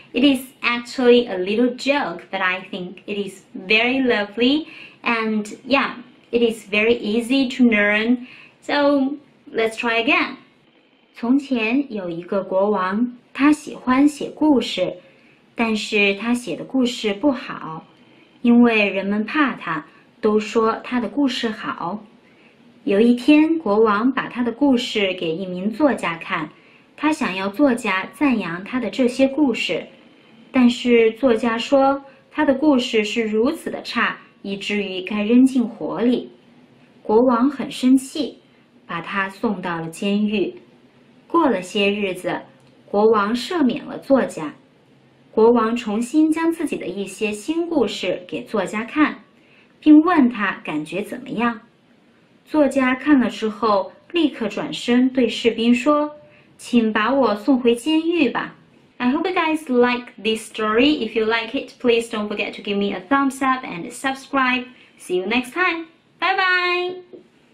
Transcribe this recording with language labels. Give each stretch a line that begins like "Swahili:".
English: It is actually a little joke, but I think it is very lovely. And yeah, it is very easy to learn. So let's try again.
Chinese: 从前有一个国王，他喜欢写故事，但是他写的故事不好，因为人们怕他，都说他的故事好。有一天，国王把他的故事给一名作家看。他想要作家赞扬他的这些故事，但是作家说他的故事是如此的差，以至于该扔进火里。国王很生气，把把他送到了监狱。过了些日子，国王赦免了作家。国王重新将自己的一些新故事给作家看，并问他感觉怎么样。作家看了之后，立刻转身对士兵说，请把我送回监狱吧。
English: I hope you guys like this story. If you like it, please don't forget to give me a thumbs up and subscribe. See you next time. Bye bye!